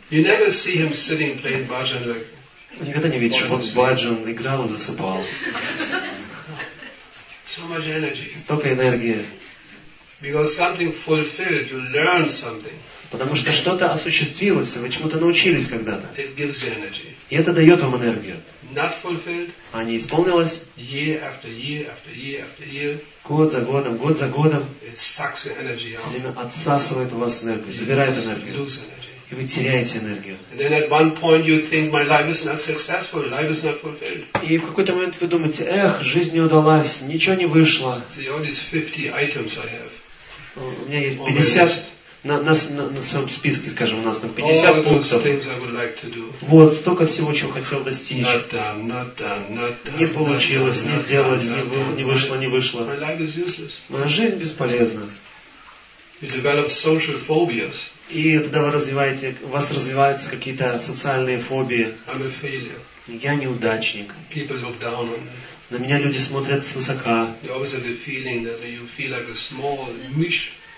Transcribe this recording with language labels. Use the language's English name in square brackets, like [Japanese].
[English] You never see him sitting playing bhajan like. [Russian] Никогда не видишь, чтобы он в баджан играл и засыпал. [English] So much energy. [Russian] Столько энергии. [English] Because something fulfilled, you learn something. [Russian] Потому что что-то осуществилось, вы чему-то научились когда-то. [English] It gives you energy. [Russian] И это дает вам энергию. [English] Not fulfilled. [Russian] А не исполнилось. [English] Year after year after year after year. [Russian] Год за годом, [English] it sucks your energy out. [Russian] Все время отсасывает у вас энергию, забирает энергию. [English] Lose energy. [Russian] и вы теряете энергию. [English] And then at one point you think my life is not successful, life is not fulfilled. [Russian] И в какой-то момент вы думаете, эх, жизнь не удалась, ничего не вышло. [English] See, all these 50 items I have. [Russian] У меня есть 50 на своем списке, скажем, у нас там 50 пунктов. [English] Like to do. [Russian] Вот, столько всего, чего хотел достичь. [English] Not done, [Russian] не получилось, [English] not done, [Russian] не сделалось, не вышло. [English] My life is useless. [Russian] Моя жизнь бесполезна. [English] You develop social phobias. [Russian] И тогда вы развиваете, у вас развиваются какие-то социальные фобии. [English] I'm a failure. [Russian] Я неудачник. [English] People look down on me. [Russian] На меня люди смотрят свысока. [English] You always have the feeling that you feel like a small mish.